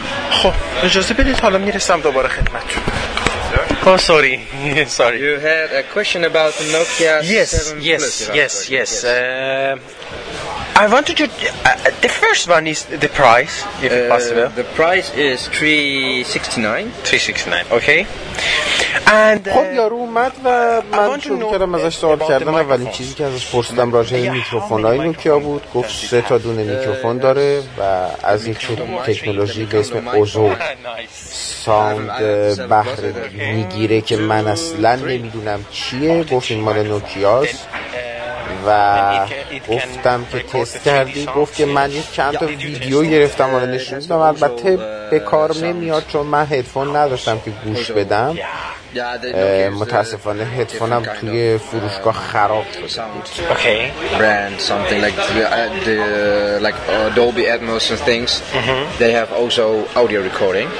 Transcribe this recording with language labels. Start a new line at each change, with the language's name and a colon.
Persian: خب اجازه بدید حالا میرسم دوباره خدمتتون.
English: Oh, sorry. Sorry. You had a question about the Nokia 7 Plus. Yes, I wanted to the first one is the price, if possible. The price is $369. Okay.
Persian: And خب یارو اومد و من شروع کردم ازش سوال کردم. اولین چیزی که ازش پرسیدم راجع به میکروفونای نوکیا بود. گفت 3 تا دونه میکروفون داره و از این تکنولوژی به اسم اوزو ساوند بهره میگیره که من اصلا نمیدونم چیه. گفت این مال نوکیاست و گفتم که تست کردی؟ گفت که من یک چند تا ویدیو گرفتم و نشون دادم، البته به کار نمیاد چون من هدفون نداشتم که گوش بدم. متاسفانه هدفونم توی فروشگاه خراب شده. اوکی
English: Brand something like the Dolby Atmos and things they have also audio recording.